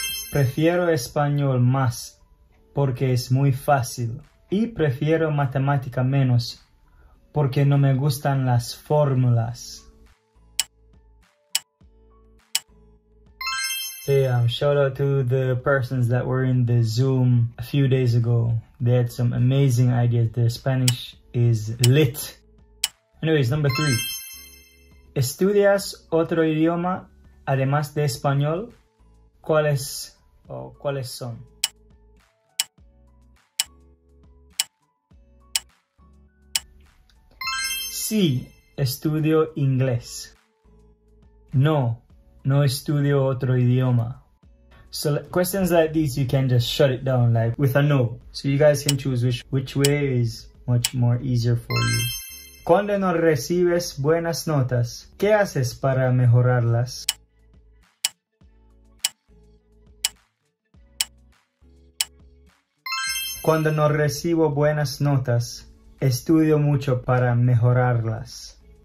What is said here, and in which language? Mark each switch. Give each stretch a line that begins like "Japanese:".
Spanish: Prefiero español más porque es muy fácil, y prefiero matemática menos porque no me gustan las fórmulas.
English: Hey, shout out to the persons that were in the Zoom a few days ago. They had some amazing ideas. Their Spanish is lit. Anyways, number three.
Spanish: ¿Estudias otro idioma además de español? ¿Cuáles son? Sí, estudio inglés. No, no estudio otro idioma.
English: So questions like these, you can just shut it down like with a no. So you guys can choose which way is much more easier for you.
Spanish: Cuando no recibes buenas notas, ¿qué haces para mejorarlas? Cuando no recibo buenas notas, estudio mucho para mejorarlas.